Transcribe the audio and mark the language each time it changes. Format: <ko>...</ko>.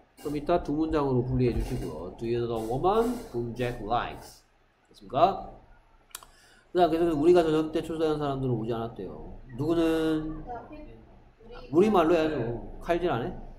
<ko>그럼 이따 두 문장으로 분리해 주시고요.</ko> <en>Do you know the woman whom Jack likes?</en> <ko>그렇습니까? 그다음 계속해서 우리가 저녁 때 초대한 사람들은 오지 않았대요. 누구는 우리말로 해야죠. 칼질 안 해?</ko>